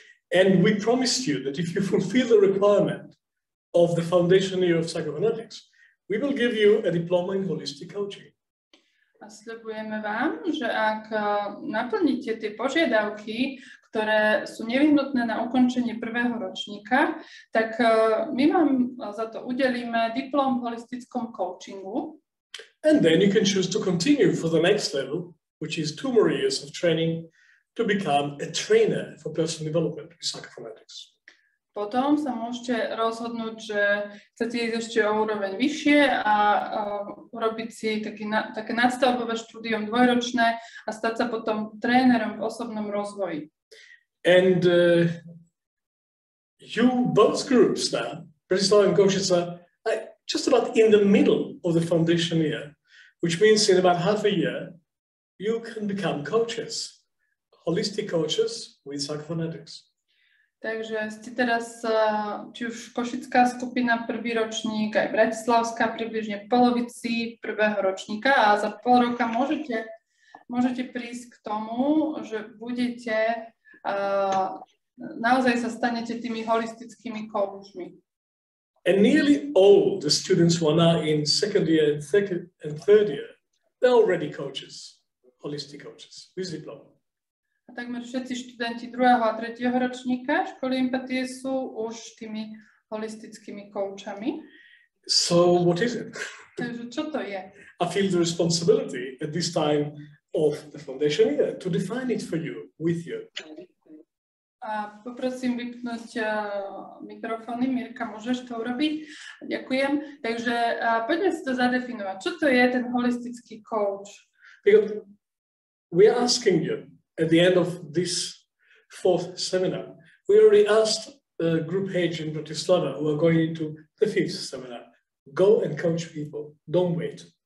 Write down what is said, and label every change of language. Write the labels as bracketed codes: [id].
[en] And we promised you that if you fulfill the requirement of the foundation year of psychophonetics, we will give you a diploma in holistic coaching. [sk] A sľubujeme vám, že ak naplníte tie požiadavky, ktoré sú nevyhnutné na ukončenie prvého ročníka, tak my vám za to udelíme diplom v holistickom coachingu. [en] And then you can choose to continue for the next level, which is 2 more years of training to become a trainer for personal development with psychophonetics. [sk] Potom sa môžete rozhodnúť, že chcete ísť ešte o úroveň vyššie a urobiť si také nadstavbové štúdium dvojročné a stať sa potom trénerom v osobnom rozvoji. [en] And you both groups now, Bratislava and Košice, are just about in the middle of the foundation year, which means in about half a year, you can become coaches, holistic coaches with psychophonetics. [sk] Takže ste teraz, či už Košická skupina, prvý ročník, aj Bratislavská, približne v polovici prvého ročníka a za pol roka môžete prísť k tomu, že budete, naozaj sa stanete tými holistickými coachmi. [en] And nearly all the students who are now in second year and third year, they're already coaches, holistic coaches, with diploma. [sk] A takmer všetci študenti druhého a tretieho ročníka školy empatie sú už tými holistickými koučami. [en] So what is it? [sk] Takže čo to je? [en] I feel the responsibility at this time of the foundation year to define it for you, with you. [sk] A poprosím vypnúť mikrofóny. Mirka, môžeš to urobiť? Ďakujem. Takže poďme si to zadefinovať. Čo to je ten holistický kouč? [en] We are asking you, at the end of this fourth seminar, we already asked Group H in Bratislava, who are going into the fifth seminar, go and coach people, don't wait.